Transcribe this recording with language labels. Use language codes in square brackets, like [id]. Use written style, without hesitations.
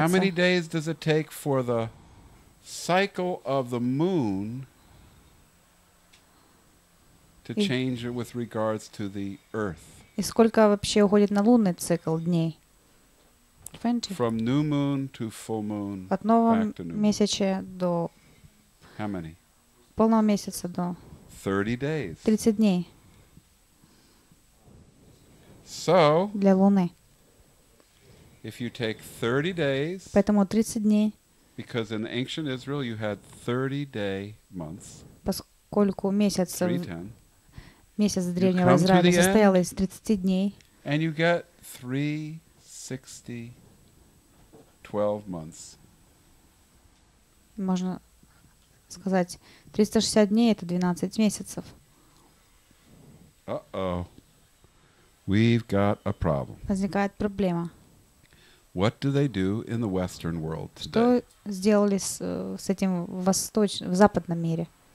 [en] How many days does it take for the cycle of the moon to change it with regards to the earth? [ru] И сколько вообще уходит на лунный цикл дней? [en] 20. From new moon to full moon. [ru] От нового месяца до. [en] How many? [ru] Полного месяца до. [en] 30 days. [ru] 30 дней. [en] So. [ru] Для луны. [en] If you take 30 days. [ru] Поэтому 30 дней. [en] Because in ancient Israel you had 30-day months. [ru] Поскольку месяц месяц древнего Израиля состоял из 30 дней. [en] And you get 360, 12 months. [ru] Можно сказать, 360 дней это 12 месяцев. [en] Uh-oh. We've got a problem. [ru] Возникает проблема. [en] What do they do in the Western world today? [ru] Что сделали с этим в западном мире?